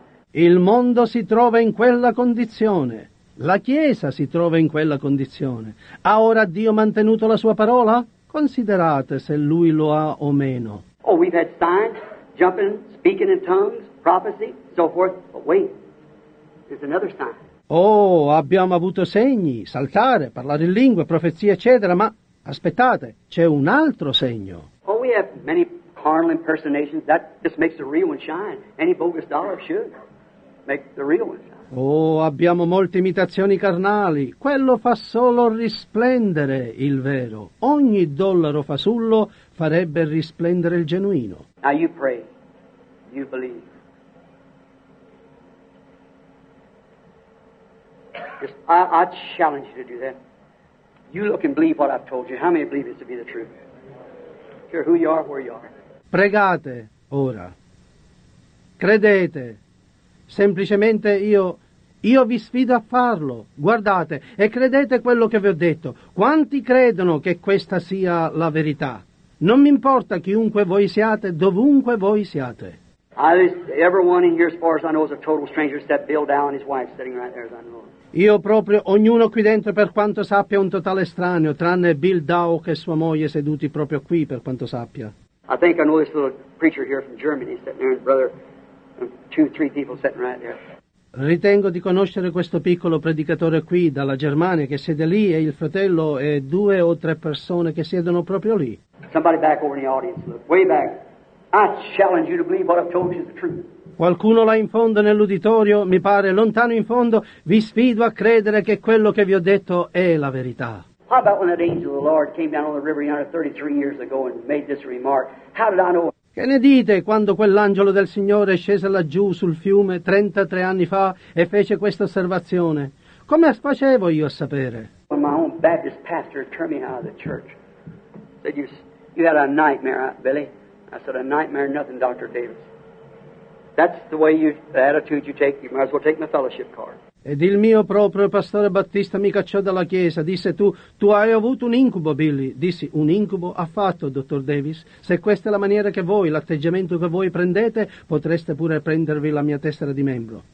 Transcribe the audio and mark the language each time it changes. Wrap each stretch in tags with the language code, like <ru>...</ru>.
<it>Il mondo si trova in quella condizione. La Chiesa si trova in quella condizione. Ha ora Dio mantenuto la sua parola? Considerate se lui lo ha o meno.</it> <en>Oh, we've had signs, jumping, speaking in tongues, prophecy, so forth. But wait, there's another sign.</en> <it>Oh, abbiamo avuto segni, saltare, parlare in lingua, profezia, eccetera, ma aspettate, c'è un altro segno.</it> <en>Oh, we have many carnal impersonations, that just makes the real one shine. Any bogus dollar should make the real one shine.</en> <it>Oh, abbiamo molte imitazioni carnali, quello fa solo risplendere il vero. Ogni dollaro fasullo farebbe risplendere il genuino.</it> <en>Now you pray, you believe. I challenge you to do that. You look and believe what I've told you. How many believe this to be the truth? Care who you are, where you are.</en> <it>Pregate ora. Credete. Semplicemente io vi sfido a farlo. Guardate e credete quello che vi ho detto. Quanti credono che questa sia la verità? Non mi importa chiunque voi siate, dovunque voi siate.</it> <en>Everyone in here, as far as I know, is a total stranger except Bill Dow and his wife sitting right there, as I know.</en> <it>Io proprio, ognuno qui dentro, per quanto sappia, è un totale estraneo, tranne Bill Dow e sua moglie seduti proprio qui, per quanto sappia.</it> <en>I think I know this little preacher here from Germany, sitting there, brother, two, three people sitting right there.</en> <it>Ritengo di conoscere questo piccolo predicatore qui, dalla Germania, che siede lì, e il fratello e due o tre persone che siedono proprio lì.</it> <en>Somebody back over in the audience, look, way back. I challenge you to believe what I've told you is the truth.</en> <it>Qualcuno là in fondo nell'uditorio, mi pare lontano in fondo, vi sfido a credere che quello che vi ho detto è la verità.</it> <en>How about when that angel of the Lord came down on the river 33 years ago and made this remark? How did I know?</en> <it>Che ne dite quando quell'angelo del Signore scese laggiù sul fiume 33 anni fa e fece questa osservazione? Come facevo io a sapere?</it> <en>When my own Baptist pastor turned me out of the church, said you had a nightmare, huh, Billy. I said a nightmare, nothing, Dr. Davis. That's the way you, the attitude you take, you might as well take my fellowship card.</en> <it>Ed il mio proprio pastore Battista mi cacciò dalla chiesa, disse tu hai avuto un incubo, Billy. Dissi, un incubo? Affatto, dottor Davis. Se questa è la maniera che voi, l'atteggiamento che voi prendete, potreste pure prendervi la mia tessera di membro.</it>